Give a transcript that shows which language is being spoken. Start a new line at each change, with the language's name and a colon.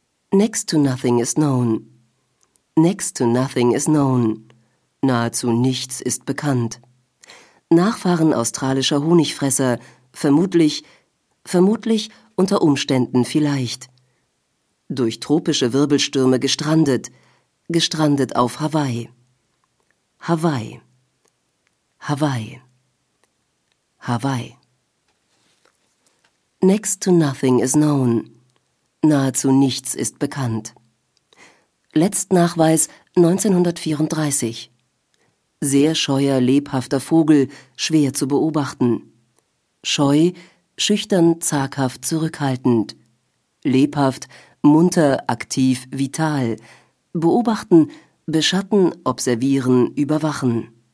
English: Next to nothing is known. Next to nothing is known.
German: Nahezu nichts ist bekannt. Nachfahren australischer Honigfresser, vermutlich unter Umständen vielleicht. Durch tropische Wirbelstürme gestrandet auf Hawaii. Hawaii. Hawaii. Hawaii.
English: Next to nothing is known.
German: Nahezu nichts ist bekannt. Letztnachweis 1934. Sehr scheuer, lebhafter Vogel, schwer zu beobachten. Scheu, schüchtern, zaghaft, zurückhaltend. Lebhaft, munter, aktiv, vital. Beobachten, beschatten, observieren, überwachen.